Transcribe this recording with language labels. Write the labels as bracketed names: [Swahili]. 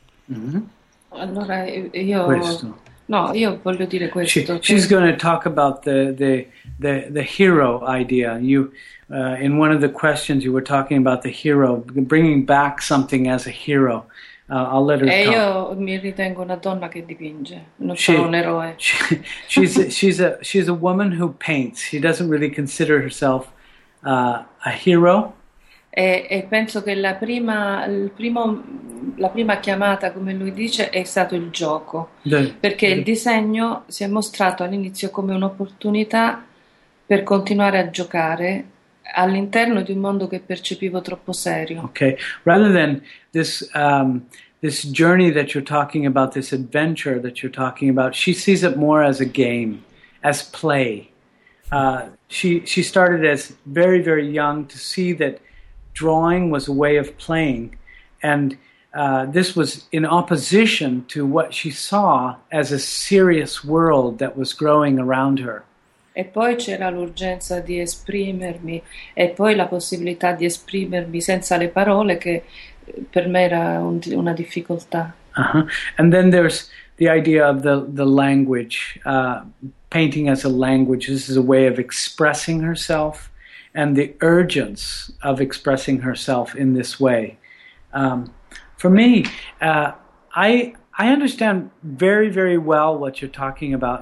[Italian] Mm-hmm. Allora io questo. No, io voglio dire questo. [English] She's going to talk about the hero idea. You in one of the questions you were talking about the hero, bringing back something as a hero. I'll let her talk. [Italian] E io mi ritengo una donna che dipinge, non sono un eroe. [English] She's a woman who paints. She doesn't really consider herself a hero. [Italian] E penso che la prima chiamata, come lui dice, è stato il gioco, perché il disegno si è mostrato all'inizio come un'opportunità per continuare a giocare all'interno di un mondo che percepivo troppo serio. [English] Okay, rather than this this journey that you're talking about, this adventure that you're talking about, she sees it more as a game, as play. She started as very, very young to see that drawing was a way of playing, and this was in opposition to what she saw as a serious world that was growing around her. [Italian] E poi c'era l'urgenza di esprimermi, e poi la possibilità di esprimermi senza le parole, che per me era una difficoltà. [English] And then there's the idea of the language, painting as a language. This is a way of expressing herself, and the urgence of expressing herself in this way. For me, I understand very, very well what you're talking about.